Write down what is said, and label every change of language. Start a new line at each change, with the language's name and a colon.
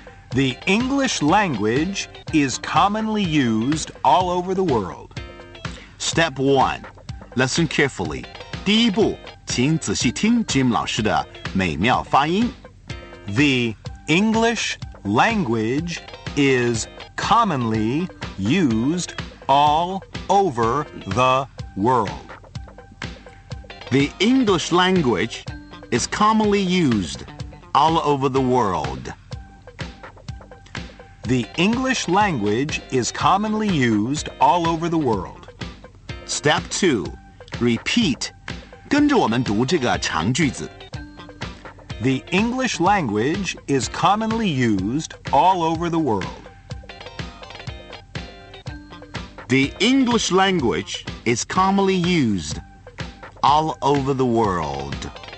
English: The English language is commonly used all over the world. Step One, listen carefully.
Chinese: 第一步，请仔细听 Jim 老师的美妙发音。
English: The English language is commonly used all. Over the world. The English language is commonly used all over the world. The English language is commonly used all over the world. Step 2. Repeat.
Chinese: 跟着我们读这个长句子。
English: The English language is commonly used all over the world. The English language is commonly used all over the world.